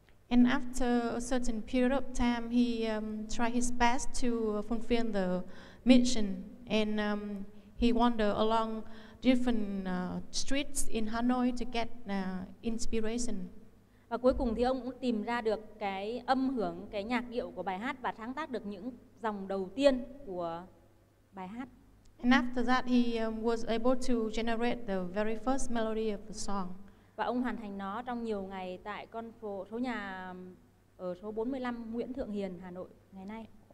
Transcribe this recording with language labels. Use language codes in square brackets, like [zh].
[en] And after a certain period of time, he tried his best to fulfill the mission, and he wandered along different streets in Hanoi to get inspiration. [vi] Và cuối cùng thì ông cũng tìm ra được cái âm hưởng, cái nhạc điệu của bài hát và sáng tác được những dòng đầu tiên của bài hát. [en] And after that, he was able to generate the very first melody of the song. [vi] Và ông hoàn thành nó trong nhiều ngày tại con phố số nhà ở số 45 Nguyễn Thượng Hiền, Hà Nội ngày nay.